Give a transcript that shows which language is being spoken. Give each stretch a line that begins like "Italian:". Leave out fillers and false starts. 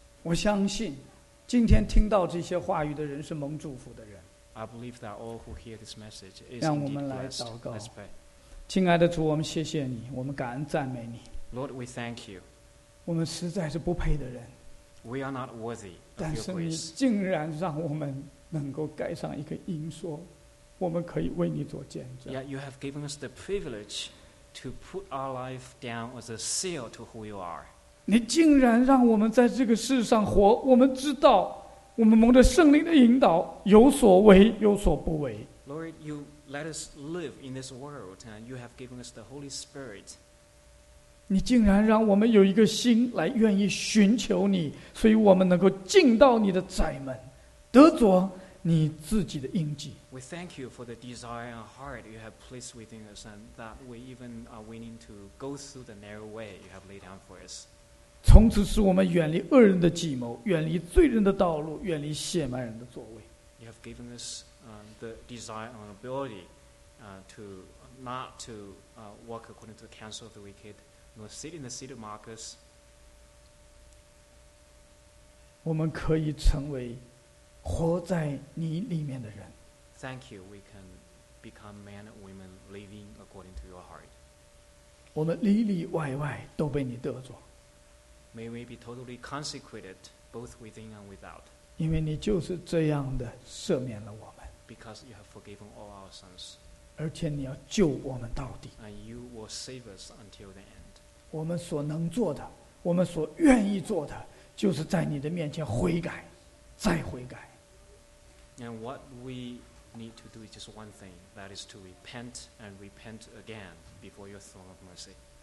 Chinese: 我相信今天听到这些话语的人是蒙祝福的人。
English: I believe that all who hear this message is indeed blessed.
Chinese: 让我们来祷告。亲爱的主，我们谢谢你，我们感恩赞美你。
English: Lord, we thank you.
Chinese: 我们实在是不配的人。
English: We are not worthy of your grace.
Chinese: 但是你竟然让我们能够盖上一个印，说我们可以为你做见证。
English: Yet you have given us the privilege to put our life down as a seal to who you are.
Chinese: 你竟然让我们在这个世上活，我们知道我们蒙着圣灵的引导，有所为，有所不为。
English: Lord, you let us live in this world, and you have given us the Holy Spirit.
Chinese: 你竟然让我们有一个心来愿意寻求你，所以我们能够进到你的窄门，得着你自己的印记。
English: We thank you for the desire and heart you have placed within us, and that we even are willing to go through the narrow way you have laid down for us.
Chinese: 从此使我们远离恶人的计谋，远离罪人的道路，远离亵慢人的座位。
English: You have given us the desire and ability to not to walk according to the counsel of the wicked, nor sit in the seat of mockers.
Chinese: 我们可以成为活在你里面的人。
English: Thank you. We can become men and women living according to your heart.
Chinese: 我们里里外外都被你得着。
English: May we be totally consecrated, both within and without.
Chinese: 因为你就是这样的赦免了我们。
English: Because you have forgiven all our sins.
Chinese: 而且你要救我们到底。
English: And you will save us until the end.
Chinese: 我们所能做的，我们所愿意做的，就是在你的面前悔改。再悔改。
English: And what we need to do is just one thing, that is to repent and repent again before your throne of mercy.